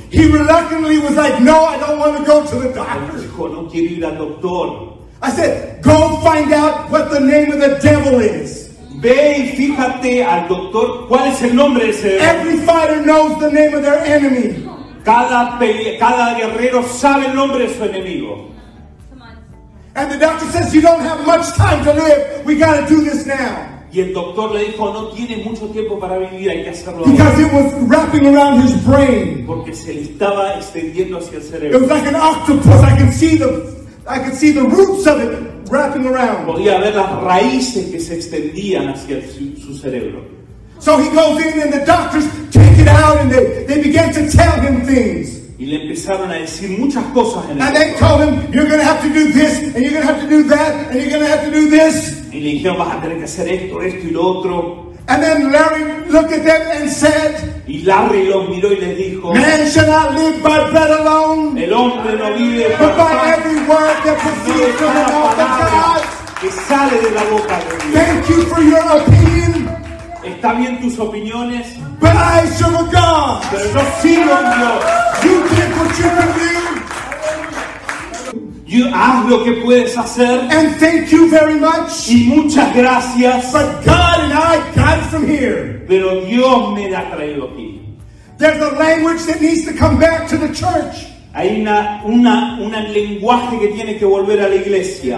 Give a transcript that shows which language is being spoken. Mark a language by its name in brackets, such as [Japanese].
[English] He reluctantly was like, no, I don't want to go to the doctor. [Spanish] Dijo, no quiero ir al doctor. [English] I said, go find out what the name of the devil is. [Spanish] Ve y fíjate al doctor, ¿cuál es el nombre de ese? [English] Every fighter knows the name of their enemy. [Spanish] Cada guerrero sabe el nombre de su enemigo. [English] And the doctor says, you don't have much time to live. We got to do this now. [Spanish] Y el doctor le dijo, no tiene mucho tiempo para vivir, hay que hacerlo. [English] Because it was wrapping around his brain. [Spanish] Porque se estaba extendiendo hacia el cerebro. [English] It was like an octopus. I could see the roots of it wrapping around. [Spanish] Podía ver las raíces que se extendían hacia su cerebro. [English] So he goes in and the doctors take it out and they began to tell him things. [Spanish] Y le empezaron a decir muchas cosas en el [English] and they told him, you're going to have to do this, and you're going to have to do that, and you're going to have to do this. [Spanish] Y le dijeron, vas a tener que hacer esto, esto y lo otro. [English] And then Larry looked at them and said, [Spanish] y Larry los miró y les dijo, [English] man shall not live by bread alone, [Spanish] el hombre no vive [English] but by every word that proceeds from the mouth of God. [Spanish] Que sale de la boca de Dios. [English] Thank you for your opinion. [Spanish] Está bien tus opiniones. [English] But I serve a God. [Spanish] Pero yo sigo en Dios. [English] You can't put your opinion. [Spanish] You, haz lo que puedes hacer. [English] And thank you very much. [Spanish] Y muchas gracias. [English] But God and I got from here. [Spanish] Pero Dios me ha traído aquí. [English] There's a language that needs to come back to the church. [Spanish] Hay un lenguaje que tiene que volver a la iglesia.